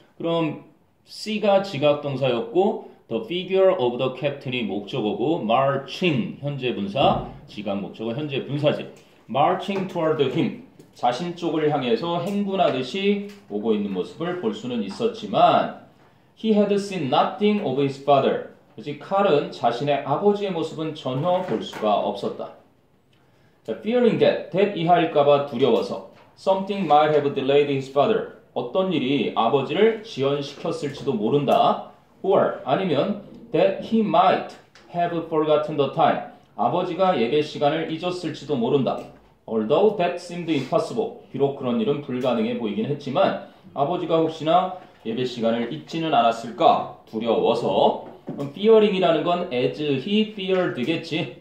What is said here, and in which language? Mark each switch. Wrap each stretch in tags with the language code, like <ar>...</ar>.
<ko>그럼 C가 지각동사였고,</ko> <en>The figure of the captain</en> <ko>이 목적어고, marching, 현재 분사, 지각 목적어 현재 분사지.</ko> <en>Marching toward him,</en> <ko>자신 쪽을 향해서 행군하듯이 오고 있는 모습을 볼 수는 있었지만,</ko> <en>he had seen nothing of his father.</en> <ko>그지, 칼은 자신의 아버지의 모습은 전혀 볼 수가 없었다.</ko> <en>Fearing that, that</en> <ko>이하일까봐 두려워서,</ko> <en>something might have delayed his father.</en> <ko>어떤 일이 아버지를 지연시켰을지도 모른다.</ko> <en>Or, 아니면, that he might have forgotten the time.</en> <ko>아버지가 예배 시간을 잊었을지도 모른다.</ko> <en>Although that seemed impossible.</en> <ko>비록 그런 일은 불가능해 보이긴 했지만, 아버지가 혹시나 예배 시간을 잊지는 않았을까 두려워서. Fearing이라는 건</ko> <en>as he feared</en> <ko>겠지.</ko>